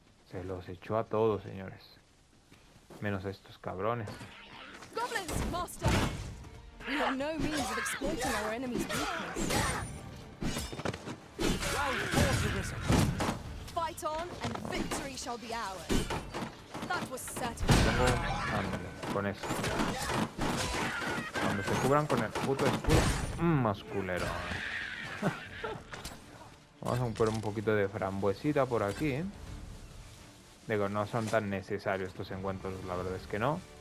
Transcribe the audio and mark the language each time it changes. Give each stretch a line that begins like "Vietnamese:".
Spanish: Se los echó a todos, señores. Menos a estos cabrones.
English: Goblins, master. We have no means of exploiting our enemy's weakness. Round four, Sarissa. Fight on and victory shall be ours. That was certain.
Spanish: Ándale, con eso. Cuando se cubran con el puto escudo. Más culero. Vamos a poner un poquito de frambuesita por aquí, ¿eh? Digo, no son tan necesarios estos encuentros, la verdad es que no.